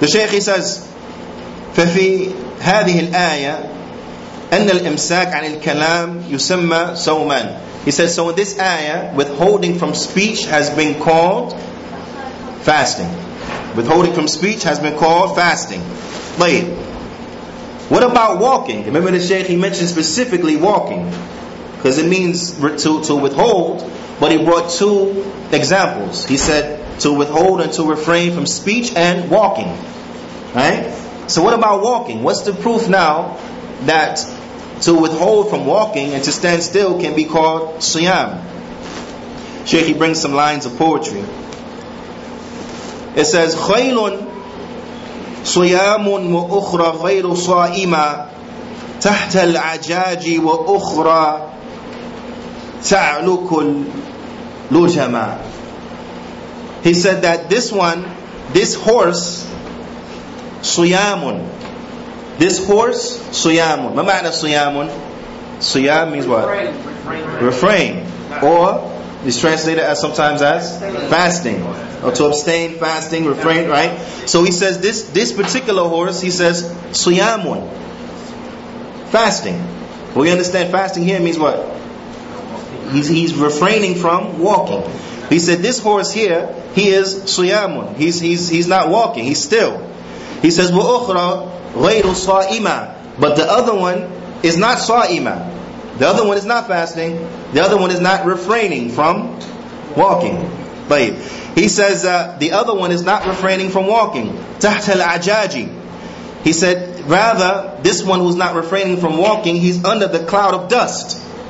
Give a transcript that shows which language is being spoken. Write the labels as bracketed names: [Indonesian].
[English] The Shaykh, he says, [Arabic] فَفِي هَذِهِ الْآيَةِ أَنَّ الْإِمْسَاكَ عَنِ الْكَلَامِ يُسَمَّى سَوْمًا. [English] He says, so in this ayah, withholding from speech has been called fasting. Withholding from speech has been called fasting. طيب. What about walking? Remember the Shaykh, he mentioned specifically walking, because it means to withhold. But he brought two examples. He said to withhold and to refrain from speech and walking. Right? So what about walking? What's the proof now that to withhold from walking and to stand still can be called siyam? Shaykh, he brings some lines of poetry. It says, [Arabic] خَيْلٌ صِيَامٌ وَأُخْرَ غَيْرُ صَائِمَ تَحْتَ الْعَجَاجِ وَأُخْرَ تَعْلُكُ الْلُجَمَى. [English] He said that this one, this horse, Suyamun. This horse, Suyamun. What ma'ana Suyamun? Suyam means what? Refrain. Or it's translated as sometimes as fasting. Or to abstain, fasting, refrain, right? So he says this particular horse, he says, Suyamun. Fasting. Well, we understand fasting here means what? He's refraining from walking. He said this horse here, he is Suyamun. He's not walking, he's still. He says, [Arabic] وَأُخْرَ غَيْرُ صَائِمَا. [English] But the other one is not صَائِمَا. The other one is not fasting. The other one is not refraining from walking. He says, the other one is not refraining from walking. [Arabic] تَحْتَ الْعَجَاجِ. [English] He said, rather, this one who's not refraining from walking, he's under the cloud of dust.